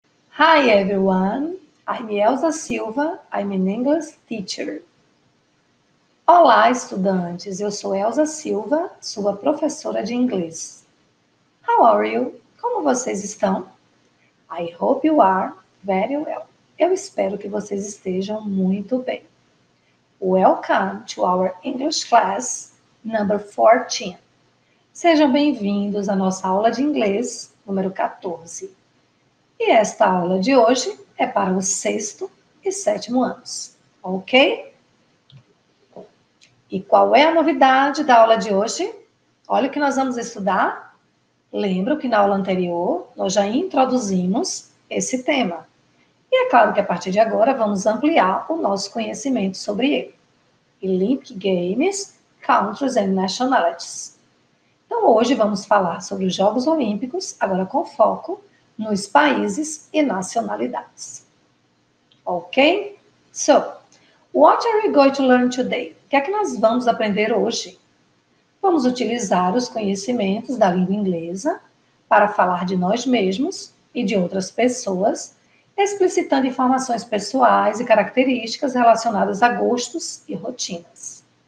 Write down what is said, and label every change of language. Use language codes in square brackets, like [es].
[en] Hi everyone, I'm Elsa Silva, I'm an English teacher. [pt] Olá, estudantes, eu sou Elsa Silva, sua professora de inglês. [en] How are you? [pt] Como vocês estão? [en] I hope you are very well. [pt] Eu espero que vocês estejam muito bem. [en] Welcome to our English class number 14. [pt] Sejam bem-vindos à nossa aula de inglês número 14. E esta aula de hoje é para o sexto e sétimo anos, ok? E qual é a novidade da aula de hoje? Olha o que nós vamos estudar. Lembro que na aula anterior nós já introduzimos esse tema. E é claro que a partir de agora vamos ampliar o nosso conhecimento sobre ele. [en] Olympic Games, Countries and Nationalities. [pt] Então hoje vamos falar sobre os Jogos Olímpicos, agora com foco nos países e nacionalidades. Ok? [en] So, what are we going to learn today? [pt] O que é que nós vamos aprender hoje? Vamos utilizar os conhecimentos da língua inglesa para falar de nós mesmos e de outras pessoas, explicitando informações pessoais e características relacionadas a gostos e rotinas.